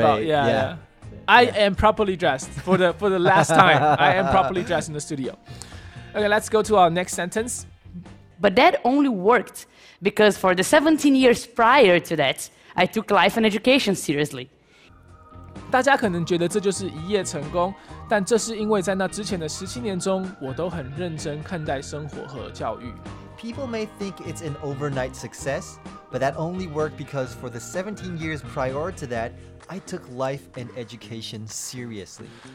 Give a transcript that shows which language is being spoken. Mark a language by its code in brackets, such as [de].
[en] About, yeah. yeah. I am properly dressed for the last time. I am properly dressed in the studio. Okay, let's go to our next sentence. But that only worked because for the 17 years prior to that, I took life and education seriously. [zh] 大家可能觉得这就是一夜成功，但这是因为在那之前的17年中，我都很认真看待生活和教育。 [en] People may think it's an overnight success, but that only worked because for the 17 years prior to that, I took life and education seriously.